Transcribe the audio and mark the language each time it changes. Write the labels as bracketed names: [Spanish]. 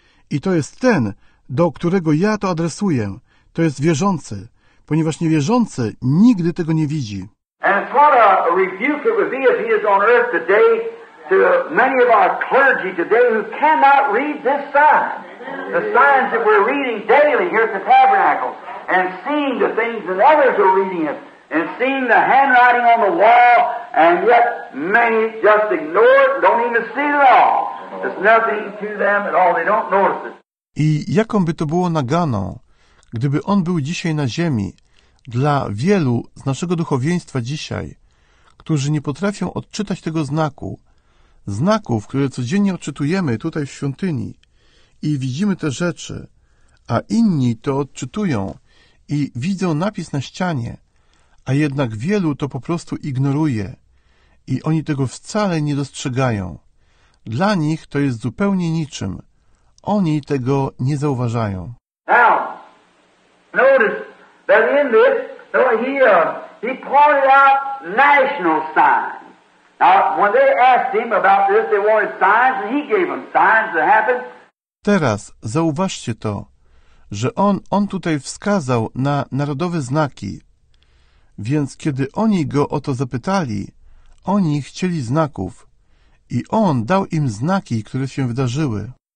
[Polish] I to jest ten, do którego ja to adresuję. To jest wierzący, ponieważ niewierzący nigdy tego nie widzi. [English] And what a rebuke it would be if he is on earth today to many of our clergy today who cannot read this sign. The signs that we're reading daily here at the tabernacle and seeing the things that others are reading it. And seeing the handwriting on the wall, and yet many just ignore it, don't even see it at all. It's nothing to them at all. They don't notice it. [Polish] I jaką by to było naganą, gdyby on był dzisiaj na ziemi, dla wielu z naszego duchowieństwa dzisiaj, którzy nie potrafią odczytać tego znaku, znaków, które codziennie odczytujemy tutaj w świątyni i widzimy te rzeczy, a inni to odczytują i widzą napis na ścianie, a jednak wielu to po prostu ignoruje i oni tego wcale nie dostrzegają. Dla nich to jest zupełnie niczym. oni tego nie zauważają. [English] Now, notice that in this, he pointed out national signs. Now, when they asked him about this, they wanted signs, and he gave them signs that happened. [Polish] Teraz zauważcie to, że on tutaj wskazał na narodowe znaki. Więc kiedy oni go o to zapytali, oni chcieli znaków. I on dał im znaki, które się wydarzyły.